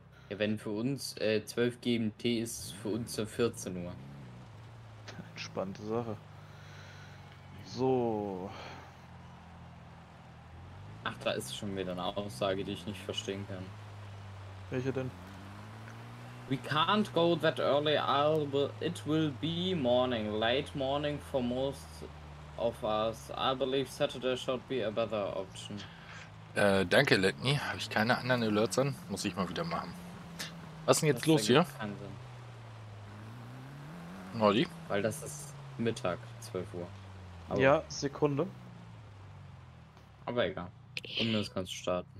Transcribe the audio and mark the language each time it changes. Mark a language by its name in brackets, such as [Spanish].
[German] Ja, wenn für uns 12 GMT ist, für uns 14 Uhr. Entspannte Sache. So. Ach, da ist schon wieder eine Aussage, die ich nicht verstehen kann. Welche denn? [English] We can't go that early, it will be morning, late morning for most of us. I believe Saturday should be a better option. [German] Danke, Letney. Habe ich keine anderen Alerts an? Muss ich mal wieder machen. Was ist denn jetzt los hier? Keinen Sinn. Nordi? Weil das ist Mittag, 12 Uhr. Aber ja, Sekunde. Aber egal. Und das kannst du starten.